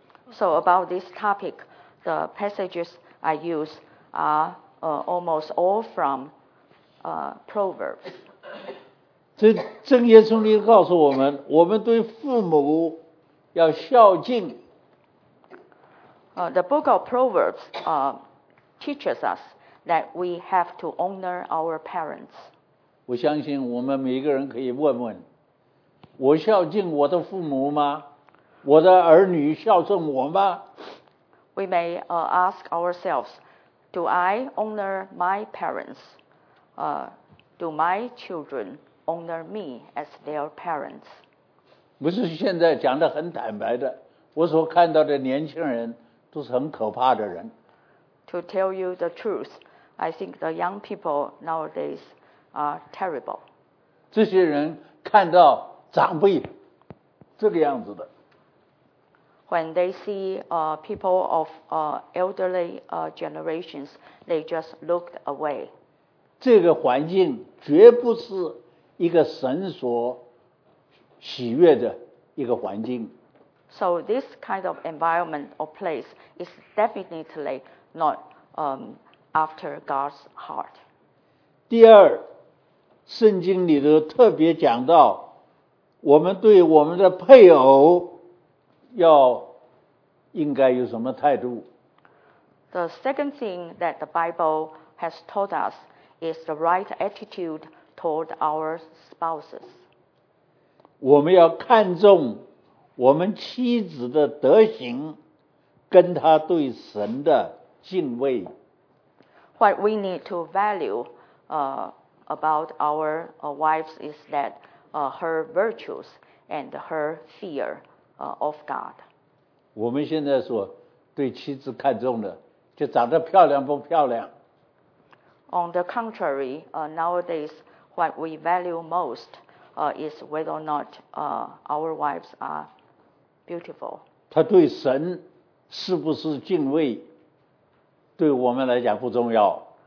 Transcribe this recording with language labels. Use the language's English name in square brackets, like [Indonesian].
[English] So about this topic, the passages I use are almost all from Proverbs. [Chinese] 这箴言书里告诉我们，我们对父母要孝敬。 [English] The book of Proverbs teaches us that we have to honor our parents. [Chinese] 我相信我们每个人可以问问，我孝敬我的父母吗？我的儿女孝顺我吗？ [English] We may ask ourselves, do I honor my parents? Do my children honor me as their parents? [Chinese] 不是现在讲得很坦白的，我所看到的年轻人都是很可怕的人。 [English] To tell you the truth, I think the young people nowadays are terrible. [Chinese] 这些人看到长辈这个样子的。 [English] When they see people of elderly generations, they just looked away. [Chinese] 这个环境绝不是一个神所喜悦的一个环境。 [English] So this kind of environment or place is definitely not after God's heart. [Chinese] 第二，圣经里头特别讲到，我们对我们的配偶要应该有什么态度？ [English] The second thing that the Bible has taught us is the right attitude toward our spouses. [Chinese] 我们要看重我们妻子的德行跟她对神的敬畏。 [English] What we need to value about our wives is that her virtues and her fear of God. [Chinese] 我们现在所对妻子看重的，就长得漂亮不漂亮。 [English] On the contrary, nowadays, what we value most is whether or not our wives are beautiful. [Chinese] 她对神是不是敬畏，对我们来讲不重要。